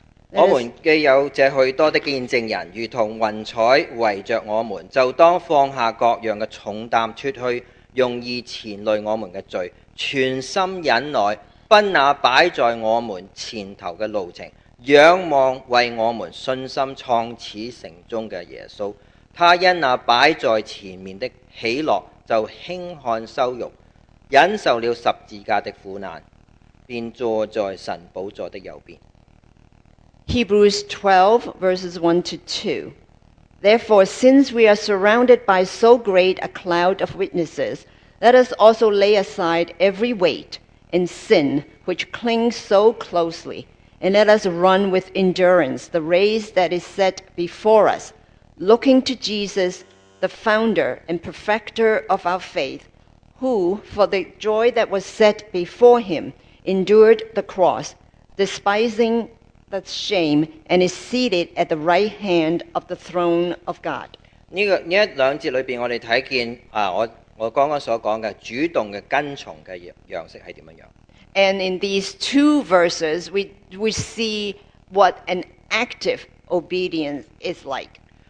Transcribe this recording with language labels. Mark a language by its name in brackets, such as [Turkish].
[Chinese] 我们既有这许多的见证人如同云彩围着我们，就当放下各样的重担，脱去容易缠累我们的罪，全心忍耐奔那摆在我们前头的路程，仰望为我们信心创始成终的耶稣，他因那摆在前面的喜乐就轻看羞辱，忍受了十字架的苦难，便坐在神宝座的右边。 [English] Hebrews 12, verses 1 to 2. Therefore, since we are surrounded by so great a cloud of witnesses, let us also lay aside every weight and sin which clings so closely, and let us run with endurance the race that is set before us, looking to Jesus, the founder and perfecter of our faith, who, for the joy that was set before him, endured the cross, despising the shame, and is seated at the right hand of the throne of God. [Chinese] 这两节里面我们看见我刚刚所讲的主动的跟从的样式是怎么样。 [English] And in these two verses, we see what an active obedience is like.